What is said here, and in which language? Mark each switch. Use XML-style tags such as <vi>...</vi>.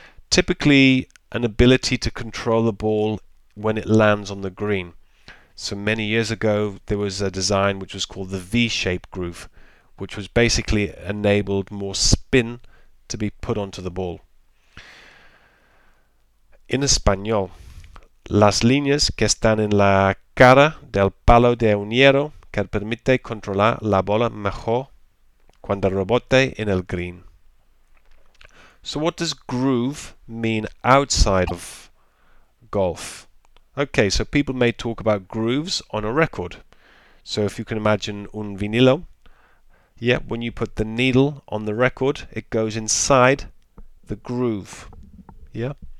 <en>Typically an ability to control the ball when it lands on the green. So many years ago there was a design which was called the V-shape groove, which was basically enabled more spin to be put onto the ball. In Espanol,</en> <es>las líneas que están en la cara del palo de un hierro que permite controlar la bola mejor cuando rebote en el green.</es> <en>So what does groove mean outside of golf? Okay, so people may talk about grooves on a record. So if you can imagine</en> <es>un vinilo,</es> <en>yeah, when you put the needle on the record, it goes inside the groove, yeah?</en>